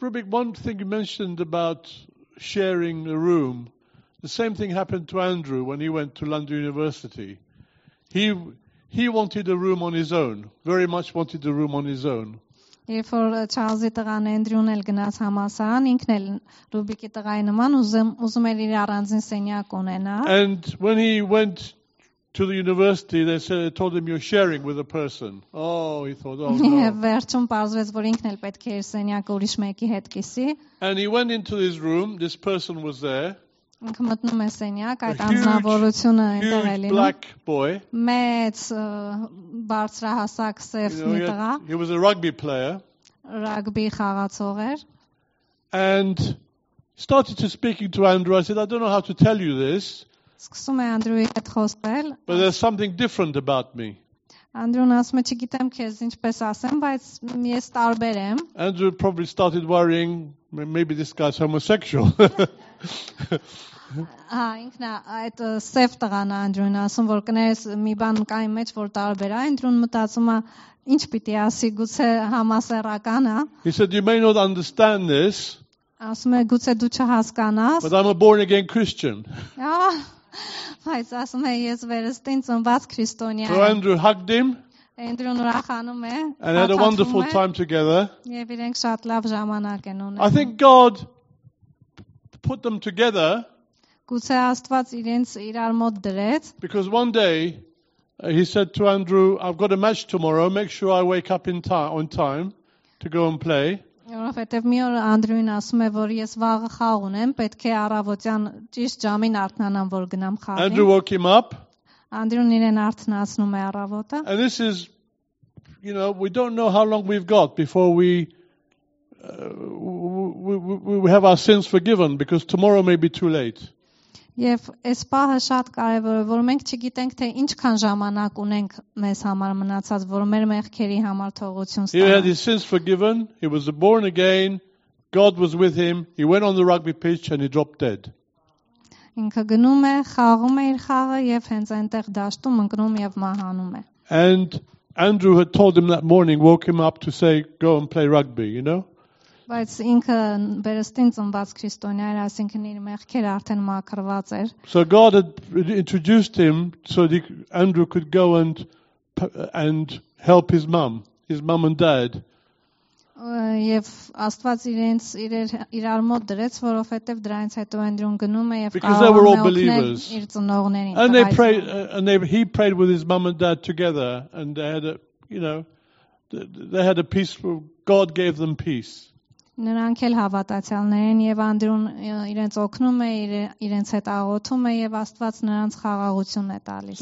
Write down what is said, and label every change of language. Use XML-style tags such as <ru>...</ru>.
<en>One thing you mentioned about sharing a room. The same thing happened to Andrew when he went to London University. He wanted a room on his own. Very much wanted a room on his own.</en> <hy>Երբ որ Չարլզի տղան Անդրյուն էլ գնաց համալսարան, ինքն էլ Ռուբիկի տղայի նման ուզում էր իր առանձին սենյակ ունենալ.</hy> <en>And when he went to the university, they said, they told him, you're sharing with a person. Oh, he thought, oh no.</en> <hy>Վերջում պարզվեց, որ ինքն էլ պետք է իր սենյակը ուրիշ մեկի հետ կիսի.</hy> <en>And he went into his room, this person was there.</en> <hy>Ինքը մտնում է սենյակ, այդ անձնավորությունը այնտեղ է լինում։ Մեծ բարձրահասակ սև մի տղա։</hy> <en>He was a rugby player.</en> <hy>Ռագբի խաղացող էր։</hy> <en>And started to speaking to Andrew. I said, I don't know how to tell you this.</en> <hy>Սկսում է Անդրուի հետ խոսել։</hy> <en>But there's something different about me.</en> <hy>Անդրուն ասում է, չգիտեմ քեզ ինչպես ասեմ, բայց ես տարբեր եմ։</hy> <en>Andrew probably started worrying, maybe this guy's homosexual.</en> <hy>Ահա ինքնա այդ սև տղան Անդրուն ասում, որ կներես մի բան կայ մեջ, որ տարբեր է։ Անդրուն մտածում է, ինչ պիտի ասի, գուցե համասեռական է։</hy> <en>He said, you may not understand this.</en> <hy>Ասում է, գուցե դու չհասկանաս։</hy> <en>But I'm a born again Christian.</en> <hy>Ահա բայց ասում է, ես վերստին ծնված քրիստոնյա եմ։</hy> <en>So Andrew hugged him.</en> <hy>Անդրուն ուրախանում է։</hy> <en>And had a wonderful time together.</en> <hy>Եվ իրենք շատ լավ ժամանակ են ունենում։</hy> <en>I think God put them together.</en> <hy>Գուցե Աստված իրենց իրար մոտ դրեց։</hy> <en>Because one day he said to Andrew, I've got a match tomorrow, make sure I wake up on time to go and play.</en> <hy>Որովհետև մի օր Անդրուին ասում է, որ ես վաղը խաղ ունեմ, պետք է առավոտյան ճիշտ ժամին արթնանամ, որ գնամ խաղի։</hy> <en>Andrew woke him up.</en> <hy>Անդրուն իրեն արթնացնում է առավոտը։</hy> <en>And this is, you know, we don't know how long we've got before we have our sins forgiven, because tomorrow may be too late.</en> <hy>Եվ այս պահը շատ կարևոր է, որ մենք չգիտենք, թե ինչքան ժամանակ ունենք մեզ համար մնացած, որ մեր մեղքերի համար թողություն ստանանք։</hy> <en>He had his sins forgiven, he was born again, God was with him, he went on the rugby pitch and he dropped dead.</en> <hy>Ինքը գնում է, խաղում է իր խաղը եւ հենց այնտեղ դաշտում ընկնում եւ մահանում է։</hy> <en>And Andrew had told him that morning, woke him up to say, go and play rugby, you know?</en> <hy>Բայց ինքը վերստին ծնված քրիստոնյա էր, այսինքն իր մեղքեր արդեն մաքրված էր։</hy> <en>So God had introduced him so that Andrew could go and help his mum and dad.</en> <hy>Եվ Աստված իրենց իրար մոտ դրեց, որովհետև դրանից հետո Անդրուն գնում է եւ կարող է օգնել իր ծնողներին։</hy> <en>And they prayed he prayed with his mum and dad together, and they had a peace, God gave them peace.</en> <hy>Նրանք էլ հավատացյալներ են եւ Անդրուն իրենց օգնում է, իրենց հետ աղոթում է եւ Աստված նրանց խաղաղություն է տալիս։</hy>